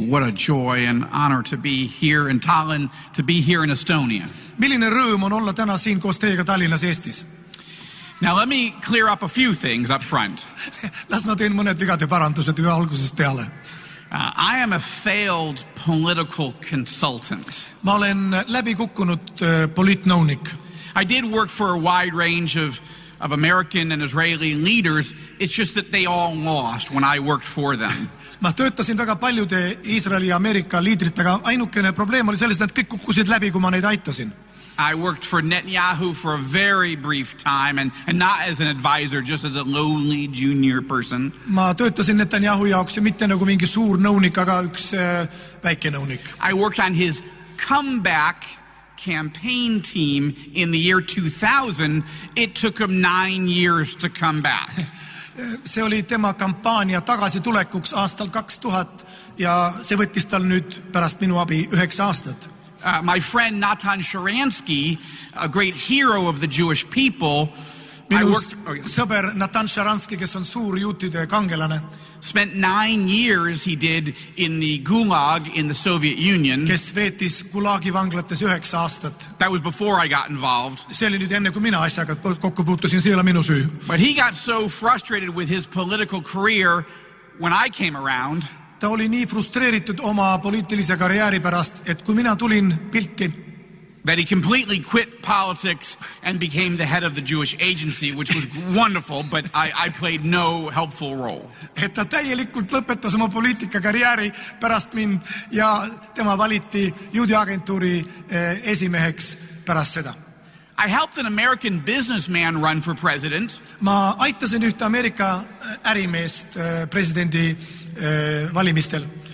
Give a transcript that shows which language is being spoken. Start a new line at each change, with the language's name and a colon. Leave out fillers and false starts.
English: What a joy and honor to be here in Tallinn, to be here in Estonia.
Estonian: Milline rõõm on olla täna siin koos teiega Tallinnas Eestis?
English: Now let me clear up a few things up front.
Estonian: Las ma teen mõned vigade parandused juba algusest peale.
English: I am a failed political consultant.
Estonian: Ma olen läbi kukkunud poliitnõunik.
English: I did work for a wide range of American and Israeli leaders. It's just that they all lost when I worked for them.
Estonian: Ma töötasin väga paljude Iisraeli ja Ameerika liidritega. Ainukene probleem oli selles, et kõik kukkusid läbi, kui ma neid aitasin.
English: I worked for Netanyahu for a very brief time and not as an advisor, just as a lowly junior person.
Estonian: Ma töötasin Netanyahu jaoks ja mitte nagu mingi suur nõunik, aga üks väike nõunik.
English: I worked on his comeback campaign team in the year 2000. It took him 9 years to come back.
Estonian: See oli tema kampaania tagasi tulekuks aastal 2000 ja see võttis tal nüüd pärast minu abi 9 aastat.
English: My friend Natan Sharansky, a great hero of the Jewish people,
Estonian: sõber Natan Sharansky, kes on suur juutide kangelane,
English: spent 9 years he did in the Gulag in the Soviet Union.
Estonian: Kes veetis Gulagi vanglates 9 aastat.
English: That was before I got involved.
Estonian: See oli nüüd enne, kui mina asjaga kokku puutusin, see ei ole minu süü.
English: But he got so frustrated with his political career when I came around.
Estonian: Ta oli nii frustreeritud oma poliitilise karjääri pärast, et kui mina tulin pilti,
English: that he completely quit politics and became the head of the Jewish agency, which was wonderful, but I played no helpful role.
Estonian: Et ta täielikult lõpetas oma poliitika karjääri pärast mind ja tema valiti juudi agentuuri esimeheks pärast seda.
English: I helped an American businessman run for president.
Estonian: Ma aitasin ühte Amerika ärimeest presidendi valimistel.